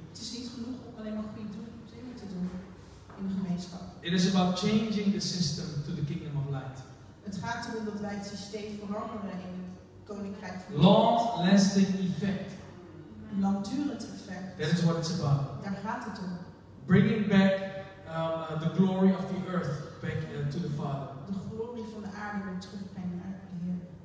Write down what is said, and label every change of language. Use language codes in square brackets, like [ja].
[nl] Het is niet genoeg om alleen maar goede dingen te doen in de gemeenschap. [en] It is about changing the system to the kingdom of light. [nl] Het gaat erom dat wij het systeem veranderen in het koninkrijk van God. [en] Long-lasting effect. [nl] Langdurend effect. [en] That is what it's about. [nl] Daar gaat het om. [en] Bringing back the glory of the earth back to the Father. [nl] De glorie van de aarde weer terugbrengen naar de Heer.